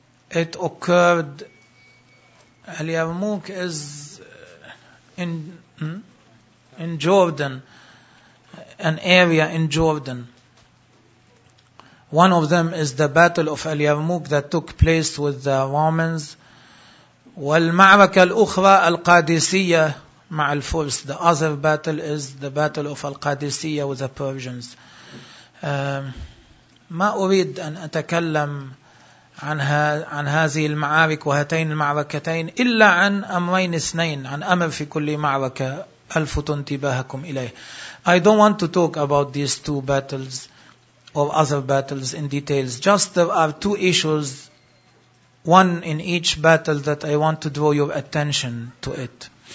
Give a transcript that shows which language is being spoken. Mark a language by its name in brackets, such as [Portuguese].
[English] It occurred. Al-Yarmouk is in Jordan, an area in Jordan. One of them is the Battle of Al-Yarmouk that took place with the Romans. [Arabic] والمعركة الأخرى القادسية مع الفرس. [English] The other battle is the Battle of Al-Qadisiyya with the Persians. [Arabic] ما أريد أن أتكلم عن هذه المعارك وهاتين المعركتين إلا عن أمرين اثنين عن أمر في كل معركة ألفت انتباهكم إليه. [English] I don't want to talk about these two battles or other battles in details. Just there are two issues, one in each battle, that I want to draw your attention to it.